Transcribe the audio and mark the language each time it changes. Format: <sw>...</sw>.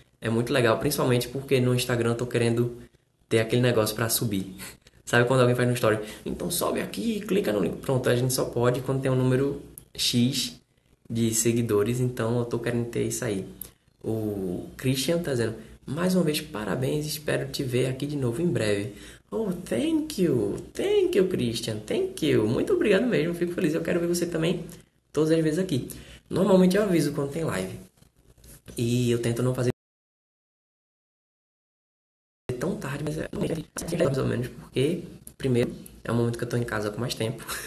<pt>É muito legal, principalmente porque no Instagram eu tô querendo ter aquele negócio para subir. Sabe quando alguém faz no story? Então sobe aqui, clica no link. Pronto, a gente só pode quando tem um número X de seguidores. Então eu tô querendo ter isso aí. O Christian tá dizendo: mais uma vez, parabéns, espero te ver aqui de novo em breve.</pt> <en>Oh, thank you, Christian, thank you.</en> <pt>Muito obrigado mesmo, fico feliz. Eu quero ver você também todas as vezes aqui. Normalmente eu aviso quando tem live. E eu tento não fazer tão tarde, mas é mais ou menos, porque primeiro é o momento que eu tô em casa com mais tempo.</pt>